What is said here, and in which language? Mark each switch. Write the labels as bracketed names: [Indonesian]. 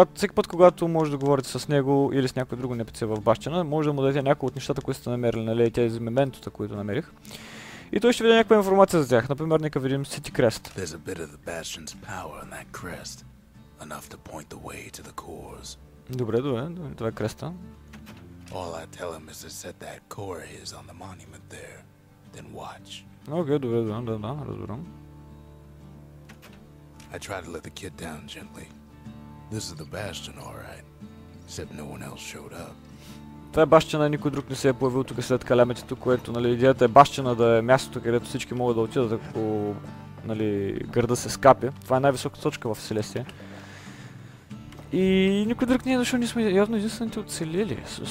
[Bulgarian] Всеки път, когато може да говорите с него или с някой друго NPC в бащина, може да му дадете някои от нещата, които сте намерили, нали, тези мементота, които намерих. И той ще ви даде някаква информация за тях. Например, нека видим City Crest. [English] There's a bit of the bastion's power in that crest. Enough to point the way to the cores. [Bulgarian] Добре, това е креста. [English] All I tell him is to set that core is on the monument there. Then watch. [Bulgarian] Окей, добре, разбирам. [English] I try to let the kid down gently. This is the bastion, all right. Except no one else showed up. [Bulgarian] Това е бащина, никой друг не се е появил тук след калямето, което, нали, идеята е бащина да е мястото, където всички могат да отидат, ако, нали, града се скапи. Това е най-високата точка в Селестия. И никой друг не е дошъл, ние сме явно единствените оцелели.